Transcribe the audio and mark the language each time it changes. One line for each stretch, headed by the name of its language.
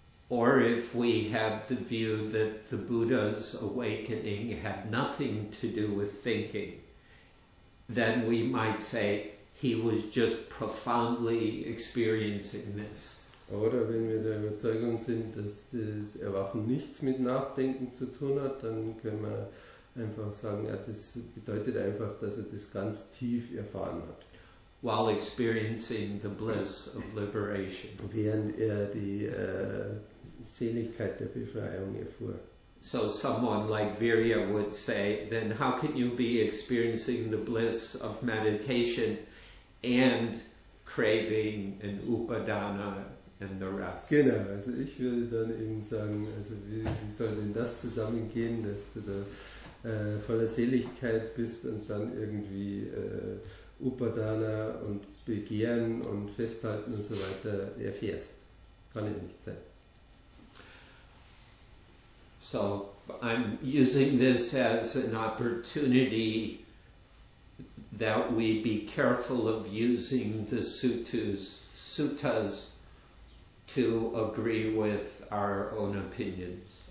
English: Or if we have the view that the Buddha's awakening had nothing to do with thinking, then we might say he was just profoundly experiencing this.
German: Oder wenn wir der Überzeugung sind, dass das Erwachen nichts mit Nachdenken zu tun hat, dann können wir einfach sagen, ja, das bedeutet einfach, dass er das ganz tief erfahren hat.
English: While experiencing the bliss of liberation.
German: Während er die Seligkeit der Befreiung erfuhr.
English: So someone like Virya would say, then how can you be experiencing the bliss of meditation and craving and upadana and the rest?
German: Genau, also ich würde dann eben sagen, also wie soll denn das zusammengehen, dass du da voller Seligkeit bist und dann irgendwie upadana und Begehren und Festhalten und so weiter erfährst? Kann ja nicht sein.
English: So, I'm using this as an opportunity that we be careful of using the suttas to agree with our own opinions.